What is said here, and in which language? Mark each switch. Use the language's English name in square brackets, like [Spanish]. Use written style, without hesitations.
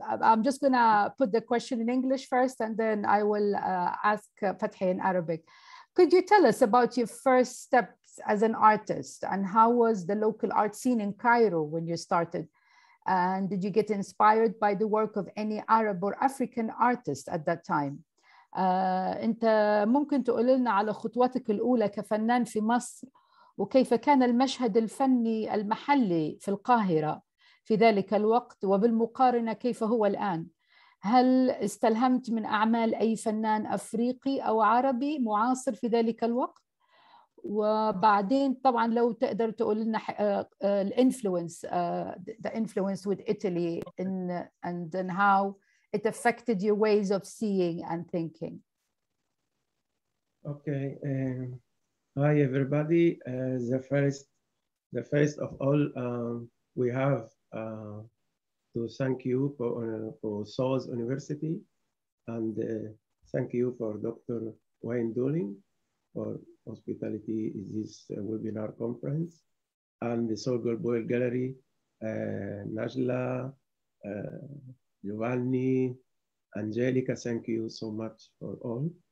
[English] I'm just going to put the question in English first, and then I will ask Fatih in Arabic. Could you tell us about your first steps as an artist, and how was the local art scene in Cairo when you started? And did you get inspired by the work of any Arab or African artist at that time? [Arabic] أنت ممكن تقول لنا على خطواتك الأولى كفنان في مصر وكيف كان المشهد الفني المحلي في القاهرة في ذلك الوقت وبالمقارنة كيف هو الآن؟ هل استلهمت من أعمال أي فنان أفريقي أو عربي معاصر في ذلك الوقت؟ وبعدين طبعا لو تقدر تقول لنا الانفلوينس [English] the influence with Italy in and then how it affected your ways of seeing and thinking. Okay, Hi, everybody. The first of all, we have to thank you for Sauce University, and thank you for Dr. Wayne Dooling for hospitality in this webinar conference, and the Saul Goldberg Gallery, Najla, Giovanni, Angelica, thank you so much for all.